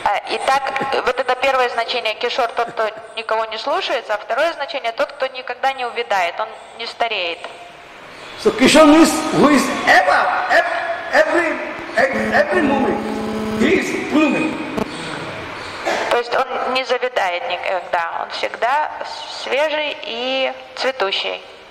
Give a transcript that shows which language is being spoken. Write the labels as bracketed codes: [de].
[ru] Итак, вот это первое значение Кишор, тот, кто никого не слушается, а второе значение тот, кто никогда не увядает, он не стареет. [en] So Kishor means who is every moment he is blooming. [ru] То есть он не завидает никогда, он всегда свежий и цветущий.